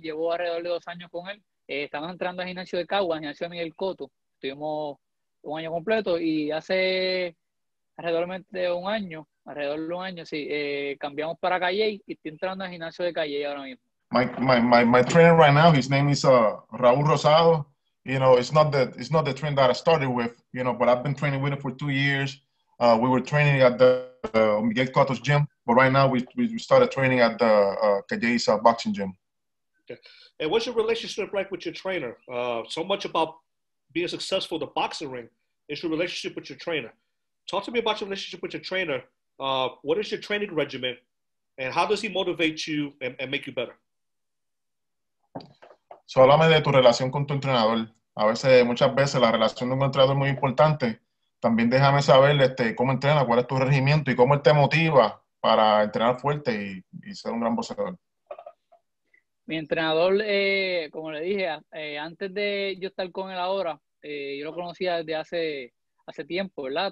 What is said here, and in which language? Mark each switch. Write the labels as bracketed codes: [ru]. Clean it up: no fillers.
[es] Llevo alrededor de 2 años con él. Estamos entrando al gimnasio de Cagua, al gimnasio de Miguel Cotto. Estuvimos un año completo y hace alrededor de un año, sí, cambiamos para Calle y estoy entrando al gimnasio de Calle ahora mismo. [en] My trainer right now, his name is Raúl Rosado. You know, it's not the train that I started with, you know, but I've been training with him for 2 years. We were training at the Miguel Cotto's gym, but right now we started training at the Calle's boxing gym. Okay. And what's your relationship like with your trainer? So much about being successful in the boxing ring, it's your relationship with your trainer. Talk to me about your relationship with your trainer. What is your training regimen, and how does he motivate you and make you better? [es] So, háblame de tu relación con tu entrenador. A veces, muchas veces, la relación de un entrenador es muy importante. También déjame saber cómo entrena, cuál es tu regimiento y cómo él te motiva para entrenar fuerte y ser un gran boxeador. Mi entrenador, como le dije, antes de yo estar con él ahora, yo lo conocía desde hace tiempo, ¿verdad?